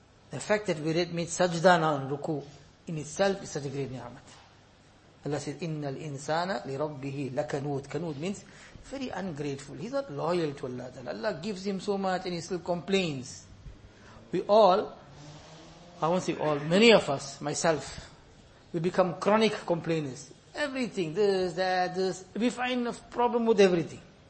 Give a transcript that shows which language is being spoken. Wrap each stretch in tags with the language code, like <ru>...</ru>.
<en>The fact that we made sajda on ruku in itself is such a great ni'mat. Allah says,</en> <ar>إِنَّ الْإِنسَانَ لِرَبِّهِ لَكَنُودٌ.</ar> <en>Kanood means very ungrateful. He's not loyal to Allah. Allah gives him so much and he still complains. We all, I won't say all, many of us, myself, we become chronic complainers. Everything, this, that, this, we find a problem with everything.</en>